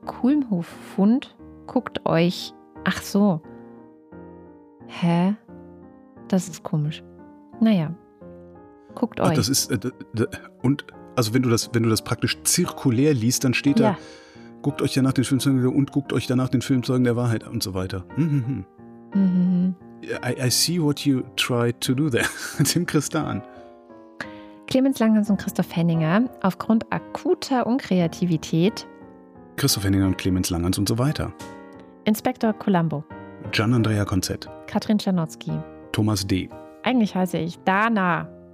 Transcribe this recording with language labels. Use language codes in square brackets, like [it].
[de] Kulmhof-Fund. Guckt euch. Ach so. Hä? Das ist komisch. Naja. Guckt euch. Das ist. Und? Also, wenn du das praktisch zirkulär liest, dann steht da. Ja. Guckt euch danach den Film Zeugen der Wahrheit und guckt euch danach den Film Zeugen der Wahrheit und so weiter. [en] I see what you tried to do there. [de] Tim Christan. Clemens Langhans und Christoph Henninger aufgrund akuter Unkreativität. Christoph Henninger und Clemens Langhans und so weiter. Inspektor Columbo. Gian-Andrea Konzett. Katrin Czernotzki. Thomas D. Eigentlich heiße ich Dana.